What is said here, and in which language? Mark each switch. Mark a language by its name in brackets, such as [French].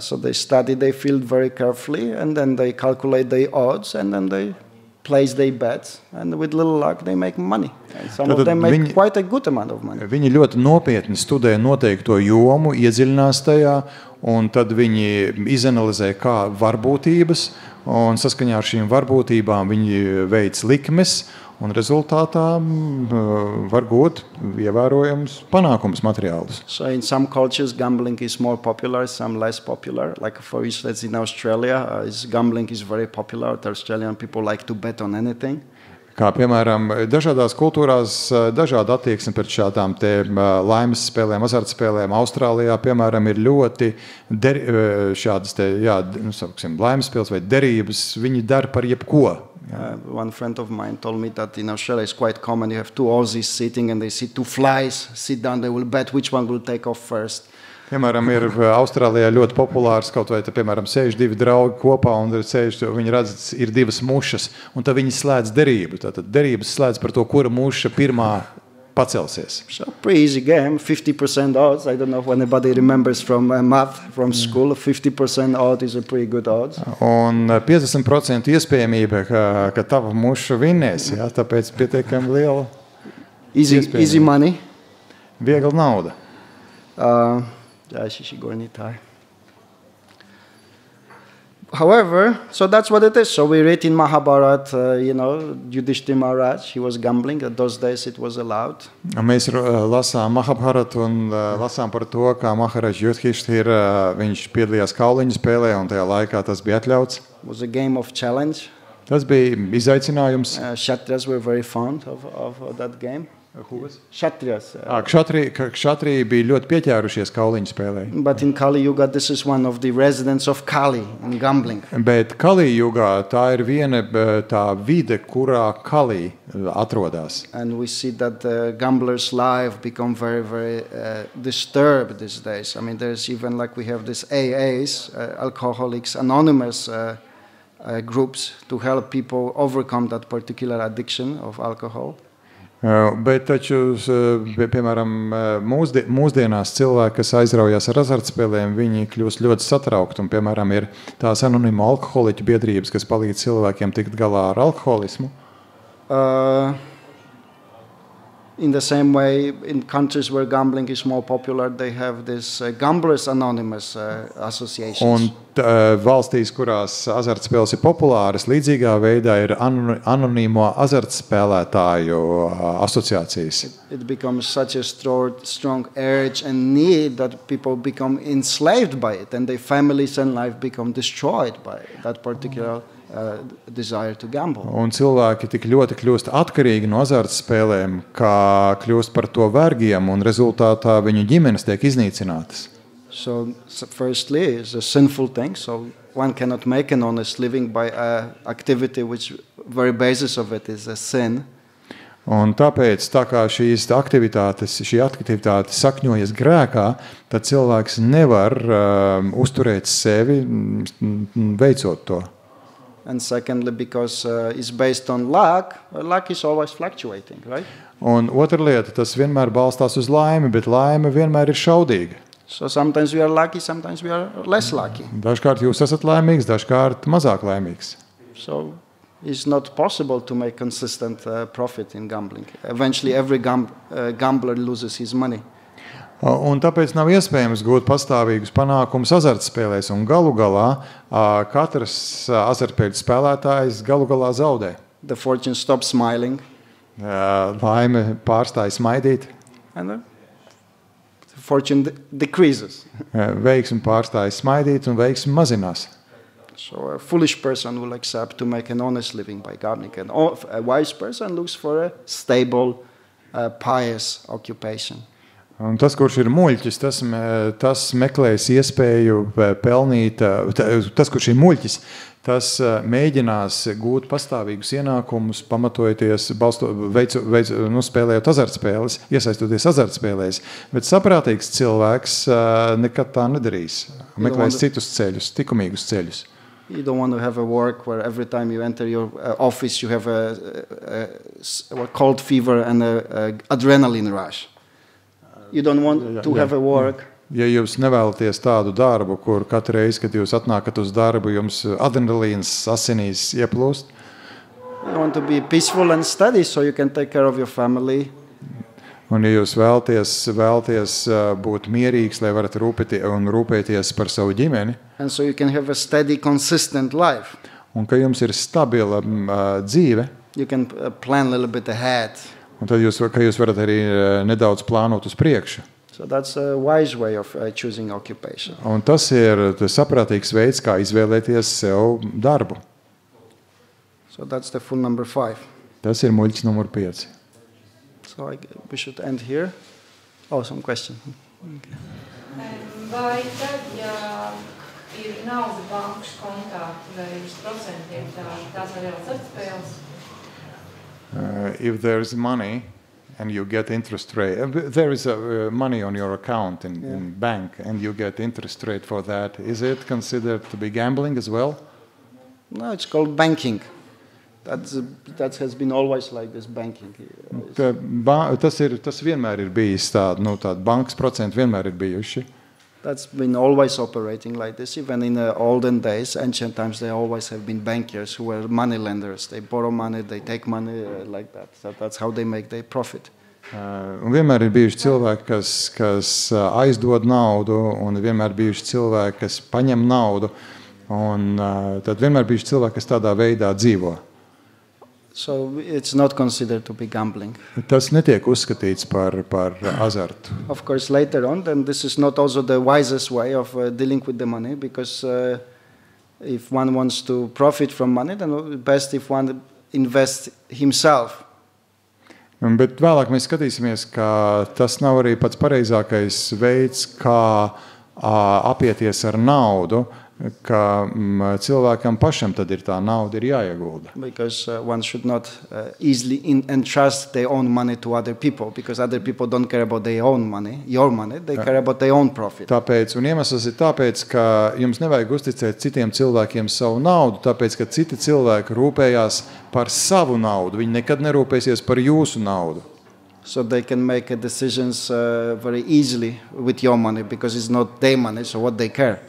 [English] So they study their field very carefully and then they calculate their odds and then they place their bets and with little luck they make money. Some of them make quite a good amount of money. [Latvian] Viņi ļoti nopietni studē noteikto jomu, iedziļinās tajā, un tad viņi izanalizē kā varbūtības, un saskaņā ar šīm varbūtībām viņi veic likmes, un rezultātā var būt ievērojams panākums materiālus. [English] So in some cultures gambling is more popular, some less popular. Like for instance in Australia, gambling is very popular, the Australian people like to bet on anything. [Latvian] Kā piemēram, dažādās kultūrās dažāda attieksme pret šādām te laimes spēlēm, azartspēlēm. Austrālijā, piemēram, ir ļoti šādas te, jā, nu, sauksim, laimes spēles vai derības, viņi dar par jebko. [English] One friend of mine told me that in Australia it's quite common, you have two Aussies sitting and they see two flies, sit down, they will bet which one will take off first. [Latvian] Piemēram, ir Austrālijā ļoti populārs, kaut vai, piemēram, sēž divi draugi kopā un viņi redz, ir divas mušas, un tad viņi slēdz derību. Tātad derības slēdz par to, kura muša pirmā pacelsies. [English] So pretty easy game, 50% odds. I don't know if anybody remembers from math, from school, 50% odds is a pretty good odds. [Latvian] Un 50% iespējamība, ka tava muša vinnēs, ja, tāpēc pietiekami liela. [English] easy money. [Latvian] Viegla nauda. Šī garnitāra. [English] However, so that's what it is. So we read in Mahabharat, Yudhishthira Maharaj, he was gambling. At those days it was allowed. [Latvian] Mēs lasām Mahabharat un lasām par to, kā Maharaj Yudhishthira, viņš piedalījās kauliņu spēlē, un tajā laikā tas bija atļauts. [English] It was a game of challenge. [Latvian] Tas bija izaicinājums. [English] Kshatriyas were very fond of that game. [Latvian] Kshatri bija ļoti pieķērušies kauliņu spēlē. [English] But in Kali Yuga this is one of the residents of Kali in gambling. [Latvian] Bet Kali Yuga tā ir viena tā vide, kurā Kali atrodas. [English] And we see that the gamblers life become very very disturbed these days. I mean there's even like we have this AAs, Alcoholics Anonymous groups to help people overcome that particular addiction of alcohol. [Latvian] Bet taču, piemēram, mūsdienās cilvēki, kas aizraujas ar azartspēlēm, viņi kļūst ļoti satraukti, un, piemēram, ir tās anonīmo alkoholiķu biedrības, kas palīdz cilvēkiem tikt galā ar alkoholismu. [English] In the same way, in countries where gambling is more popular, they have this gamblers anonymous associations. [Latvian] Un valstīs, kurās azartspēles ir populāras, līdzīgā veidā ir anonīmo azartspēlētāju asociācijas. [English] It becomes such a strong urge and need that people become enslaved by it, and their families and life become destroyed by that particular desire to gamble. [Latvian] Un cilvēki tik ļoti kļūst atkarīgi no azartspēlēm, kā kļūst par to vergiem, un rezultātā viņu ģimenes tiek iznīcinātas. [English] So firstly, it's a sinful thing, so one cannot make an honest living by a activity which very basis of it is a sin. [Latvian] Un tāpēc, tā kā šīs aktivitātes, šī aktivitāte sakņojas grēkā, tad cilvēks nevar uzturēt sevi, veicot to. [English] And secondly, because it's based on luck, luck is always fluctuating, right? [Latvian] Un otra lieta, tas vienmēr balstās uz laimi, bet laime vienmēr ir šaudīga. [English] So sometimes we are lucky, sometimes we are less lucky. [Latvian] Dažkārt jūs esat laimīgs, dažkārt mazāk laimīgs. [English] So it's not possible to make consistent profit in gambling. Eventually every gambler loses his money. [Latvian] Un tāpēc nav iespējams gūt pastāvīgus panākumus azartspēlēs, un galu galā katrs azartspēļu spēlētājs galu galā zaudē. [English] The fortune stops smiling. [Latvian] Laime pārstāj smaidīt. [English] And the fortune decreases. [Latvian] Veiksmi pārstāj smaidīt un veiksmi mazinās. [English] So a foolish person will accept to make an honest living by gambling, and a wise person looks for a stable, pious occupation. [Latvian] Un tas, kurš ir muļķis, tas meklēs iespēju pelnīt, tas, kurš ir muļķis, tas mēģinās gūt pastāvīgus ienākumus, pamatojoties, spēlējot azartspēles, iesaistoties azartspēlēs. Bet saprātīgs cilvēks nekad tā nedarīs. Meklēs citus ceļus, tikumīgus ceļus. [English] You don't want to have a work where every time you enter your office, you have a cold fever and an adrenaline rush. You don't want to have a work. [Latvian] Ja jūs nevēlaties tādu darbu, kur katru reizi, kad jūs atnākat uz darbu, jums adrenalīns asinīs ieplūst. [English] You want to be peaceful and steady so you can take care of your family. [Latvian] Un ja jūs vēlties būt mierīgs, lai varat rūpēties par savu ģimeni. [English] And so you can have a steady, consistent life. [Latvian] Un ka jums ir stabila dzīve. [English] You can plan a little bit ahead. [Latvian] Un tad jūs varat arī nedaudz plānot uz priekšu. [English] So that's a wise way of choosing occupation. [Latvian] Un tas ir saprātīgs veids, kā izvēlēties sev darbu. [English] So that's the fool number 5. [Latvian] Tas ir muļķis numur 5. [English] So we should end here. Oh, some question. [Latvian] Vai okay. Tad, ja ir nauda bankas kontā, vai uz procentiem, tās arī jau atspēles? [English] If there is money and you get interest rate, there is money on your account in bank and you get interest rate for that, is it considered to be gambling as well? No, it's called banking. That has been always like this banking. [Latvian] Tas vienmēr ir bijis tāds, nu tāds bankas procenti vienmēr ir bijuši. [English] That's been always operating like this, even in the olden days, ancient times, they always have been bankers who were money lenders. They borrow money, they take money like that. So that's how they make their profit. [Latvian] Un vienmēr ir bijuši cilvēki, kas aizdod naudu, un vienmēr ir bijuši cilvēki, kas paņem naudu, un tad vienmēr ir bijuši cilvēki, kas tādā veidā dzīvo. [English] So it's not considered to be gambling. [Latvian] Tas netiek uzskatīts par azartu. [English] Of course, later on, then this is not also the wisest way of dealing with the money, because if one wants to profit from money, then best if one invests himself. [Latvian] Bet vēlāk mēs skatīsimies, ka tas nav arī pats pareizākais veids, kā apieties ar naudu, ka cilvēkam pašam tad ir tā nauda ir jāiegulda. [English] Because one should not easily entrust their own money to other people, because other people don't care about their own money, your money, they care about their own profit. [Latvian] Tāpēc, un iemesls ir tāpēc, ka jums nevajag uzticēt citiem cilvēkiem savu naudu, tāpēc, ka citi cilvēki rūpējās par savu naudu, viņi nekad nerūpēsies par jūsu naudu. [English] So they can make decisions very easily with your money, because it's not their money, so what they care.